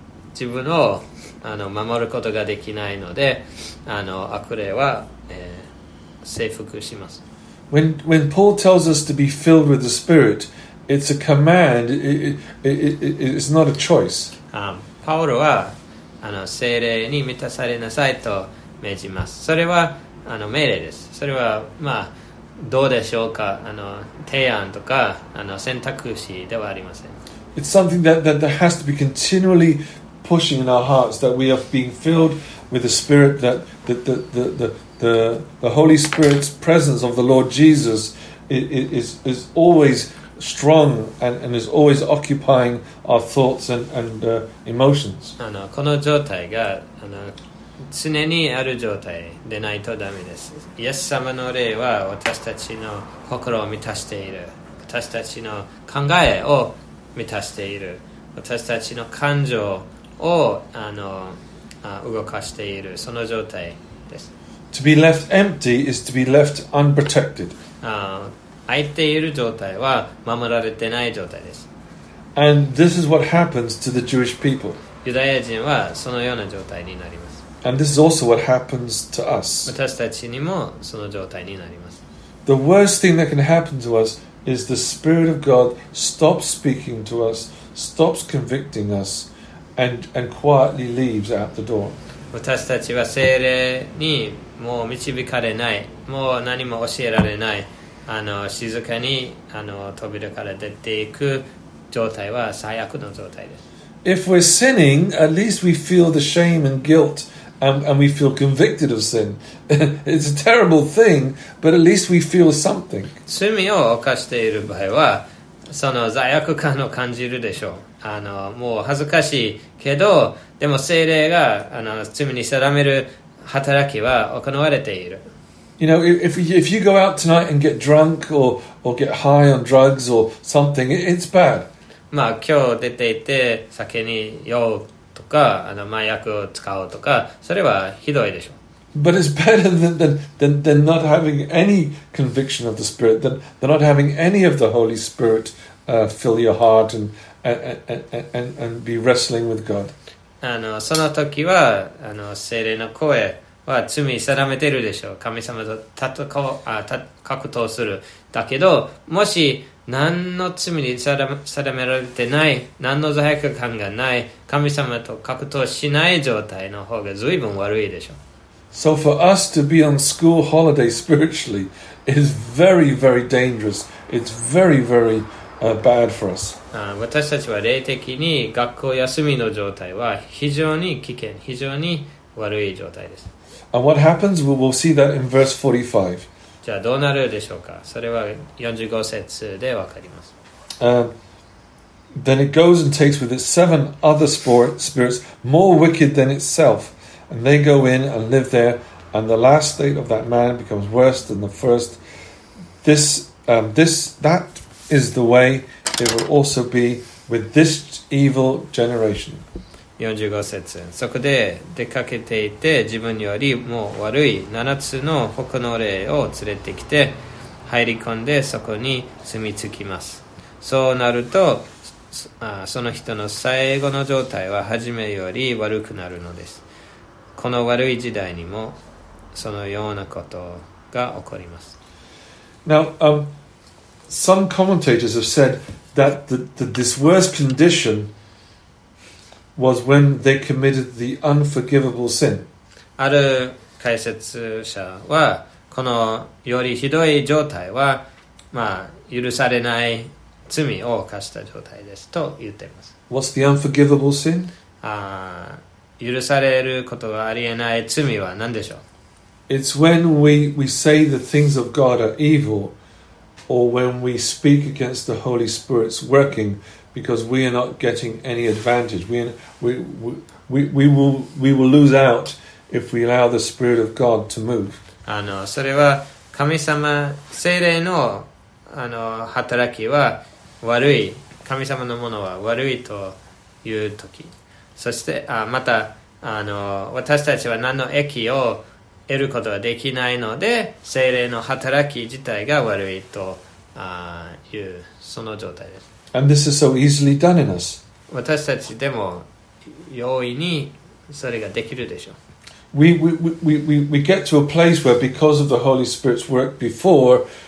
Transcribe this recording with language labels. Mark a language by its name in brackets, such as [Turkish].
[Japanese] 自分を守ることができないので、悪霊は、征服します。 [English] When Paul tells us to be filled with the Spirit, It's a command. It's not a choice. [Japanese] パウロは聖霊に満たされなさいと命じます。それは命令です。それはまあどうでしょうか。提案とか選択肢ではありません。 [English] It's something that has to be continually pushing in our hearts that we are being filled with the Spirit, that the Holy Spirit's presence of the Lord Jesus is always strong and is always occupying our thoughts and emotions. [Japanese] この状態が常にある状態でないとダメです。イエス様の霊は私たちの心を満たしている。私たちの考えを満たしている。私たちの感情を動かしている。その状態です。 [English] To be left empty is to be left unprotected. [Japanese] 空いている状態は守られてない状態です。 [English] And this is what happens to the Jewish people. [Japanese] ユダヤ人はそのような状態になります。 [English] And this is also what happens to us. [Japanese] 私たちにもその状態になります。 [English] The worst thing that can happen to us is the Spirit of God stops speaking to us, stops convicting us, and quietly leaves out the door. [Japanese] 私たちは聖霊にもう導かれない、もう何も教えられない、静かに扉から出ていく状態は最悪の状態です。 [English] If we're sinning, at least we feel the shame and guilt. And we feel convicted of sin. It's a terrible thing, but at least we feel something. [Japanese] 罪を犯している場合は、その罪悪感を感じるでしょう。もう恥ずかしいけど、でも聖霊が罪に定める働きは行われている。 [English] You know, if you go out tonight and get drunk or get high on drugs or something, it's bad. [Japanese] まあ今日出ていて酒に酔う。とか麻薬を使おうとかそれはひどいでしょう。 [English] But it's better than not having any conviction of the Spirit, than not having any of the Holy Spirit fill your heart and be wrestling with God. [Japanese] その時は聖霊の声は罪定めてるでしょう。神様と格闘する。だけどもし何の罪に定められてない、何の罪悪感がない、神様と格闘しない状態の方が随分悪いでしょう。 [English] So for us to be on school holiday spiritually is very, very dangerous. It's very, very bad for us. [Japanese] 私たちは霊的に学校休みの状態は非常に危険、非常に悪い状態です。 [English] And what happens? We'll see that in verse 45. [Japanese] じゃあどうなるでしょうか。それは45節でわかります。 [English] Then it goes and takes with it seven other spirits more wicked than itself, and they go in and live there, and the last state of that man becomes worse than the first. That is the way it will also be with this evil generation. [Japanese] 45節。そこで出かけていて自分よりも悪い7つの他の霊を連れてきて入り込んでそこに住み着きます。そうなるとその人の最後の状態は初めより悪くなるのです。この悪い時代にもそのようなことが起こります。 [English] Now, some commentators have said that this worst conditionwas when they committed the unforgivable sin. [Japanese] ある解説者はこのよりひどい状態は、まあ、許されない罪を犯した状態ですと言っています。 [English] What's the unforgivable sin? [Japanese] 許されることがありえない罪は何でしょう。 [English] It's when we say the things of God are evil, or when we speak against the Holy Spirit's workingBecause we are not getting any advantage. We will lose out if we allow the Spirit of God to move. [Japanese] それは神様、聖霊の働きは悪い、神様のものは悪いという時。そしてまた私たちは何の益を得ることができないので、聖霊の働き自体が悪いというその状態です。 [English] And this is so easily done in us. [Japanese] 私たちでも容易にそれができるでしょう。 [English] We get to a place where because of the Holy Spirit's work before,